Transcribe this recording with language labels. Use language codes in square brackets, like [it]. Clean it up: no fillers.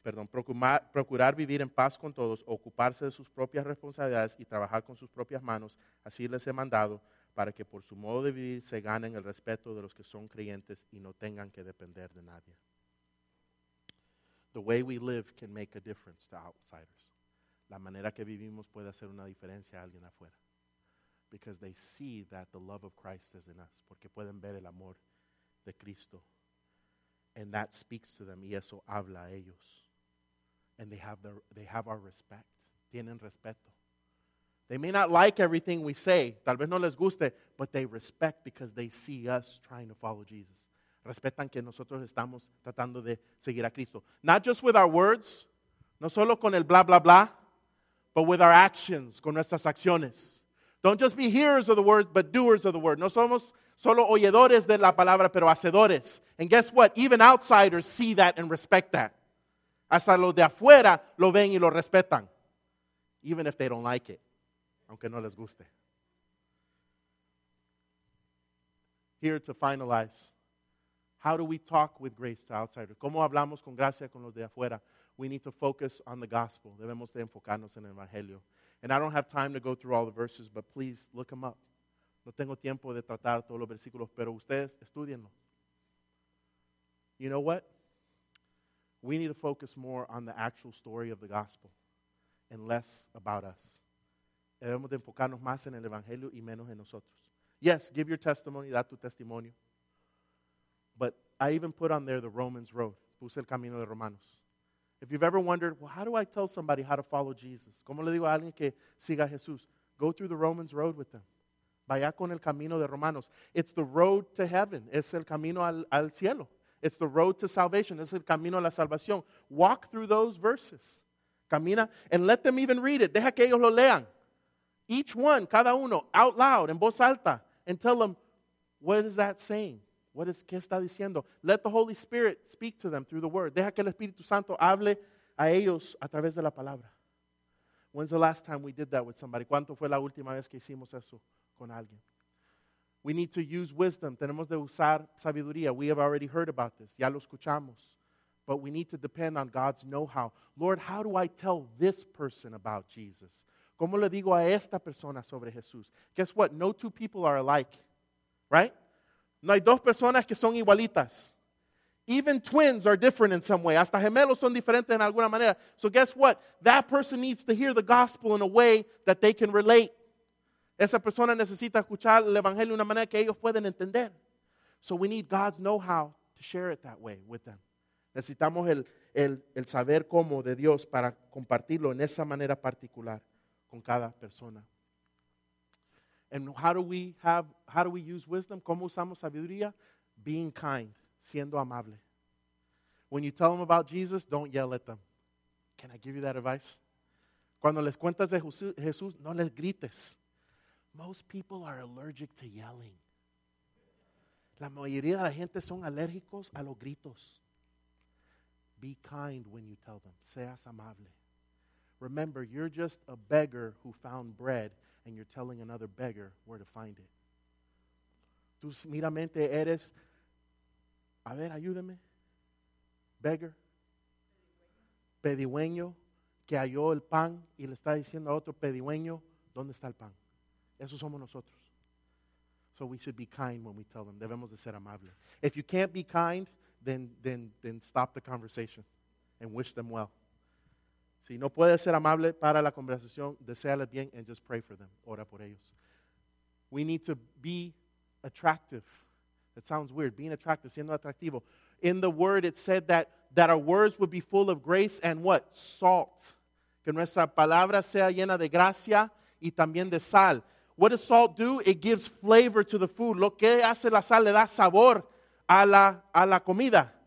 [es] Procurar vivir en paz con todos, ocuparse de sus propias responsabilidades y trabajar con sus propias manos, así les he mandado, para que por su modo de vivir se ganen el respeto de los que son creyentes y no tengan que depender de nadie. [en] The way we live can make a difference to outsiders. [es] La manera que vivimos puede hacer una diferencia a alguien afuera. [en] Because they see that the love of Christ is in us. [es] Porque pueden ver el amor de Cristo. [en] And that speaks to them. [es] Y eso habla a ellos. [en] And they have our respect. [es] Tienen respeto. [en] They may not like everything we say. [es] Tal vez no les guste. [en] But they respect because they see us trying to follow Jesus. [es] Respetan que nosotros estamos tratando de seguir a Cristo. [en] Not just with our words. [es] No solo con el bla, bla, bla. [en] But with our actions. [es] Con nuestras acciones. [en] Don't just be hearers of the word, but doers of the word. [es] No somos solo oyedores de la palabra, pero hacedores. [en] And guess what? Even outsiders see that and respect that. [es] Hasta los de afuera lo ven y lo respetan. [en] Even if they don't like it. [es] Aunque no les guste. [en] Here to finalize. How do we talk with grace to outsiders? [es] ¿Cómo hablamos con gracia con los de afuera? [en] We need to focus on the gospel. [es] Debemos de enfocarnos en el evangelio. [en] And I don't have time to go through all the verses, but please look them up. [es] No tengo tiempo de tratar todos los versículos, pero ustedes estudienlo. [en] You know what? We need to focus more on the actual story of the gospel and less about us. [es] Debemos de enfocarnos más en el evangelio y menos en nosotros. [en] Yes, give your testimony, [es] da tu testimonio. [en] But I even put on there the Romans road. [es] Puse el camino de Romanos. [en] If you've ever wondered, well, how do I tell somebody how to follow Jesus? [es] ¿Cómo le digo a alguien que siga a Jesús? [en] Go through the Romans road with them. [es] Vaya con el camino de Romanos. [en] It's the road to heaven. [es] Es el camino al cielo. [en] It's the road to salvation. [es] Es el camino a la salvación. [en] Walk through those verses. [es] Camina [en] and let them even read it. [es] Deja que ellos lo lean. [en] Each one, [es] cada uno, [en] out loud, [es] en voz alta, [en] and tell them, what is that saying? [es] ¿Qué está diciendo? [en] Let the Holy Spirit speak to them through the word. [es] Deja que el Espíritu Santo hable a ellos a través de la palabra. [en] When's the last time we did that with somebody? [es] ¿Cuánto fue la última vez que hicimos eso con alguien? [en] We need to use wisdom. [es] Tenemos de usar sabiduría. [en] We have already heard about this. [es] Ya lo escuchamos. [en] But we need to depend on God's know-how. Lord, how do I tell this person about Jesus? [es] ¿Cómo le digo a esta persona sobre Jesús? [en] Guess what? No two people are alike, right? [es] No hay dos personas que son igualitas. [en] Even twins are different in some way. [es] Hasta gemelos son diferentes en alguna manera. [en] So guess what? That person needs to hear the gospel in a way that they can relate. [es] Esa persona necesita escuchar el evangelio de una manera que ellos pueden entender. [en] So we need God's know-how to share it that way with them. [es] Necesitamos el saber cómo de Dios para compartirlo en esa manera particular con cada persona. [en] And how do we use wisdom? [es] ¿Cómo usamos sabiduría? [en] Being kind, [es] siendo amable. [en] When you tell them about Jesus, don't yell at them. Can I give you that advice? [es] Cuando les cuentas de Jesús, no les grites. [en] Most people are allergic to yelling. [es] La mayoría de la gente son alérgicos a los gritos. [en] Be kind when you tell them. [es] Seas amable. [en] Remember, you're just a beggar who found bread, and you're telling another beggar where to find it. [es] Tú meramente eres, a ver, ayúdame, beggar, pedigüeño, que halló el pan y le está diciendo a otro pedigüeño, ¿dónde está el pan? Eso somos nosotros. [en] So we should be kind when we tell them. [es] Debemos de ser amables. [en] If you can't be kind, then stop the conversation and wish them well. [es] Si no puedes ser amable para la conversación, deséales bien [en] and just pray for them. [es] Ora por ellos. [en] We need to be attractive. That sounds weird. Being attractive, [es] siendo atractivo. [en] In the word, it said that our words would be full of grace and what? Salt. [es] Que nuestra palabra sea llena de gracia y también de sal. [en] What does salt do? It gives flavor to the food. [es] Lo que hace la sal le da sabor a la comida.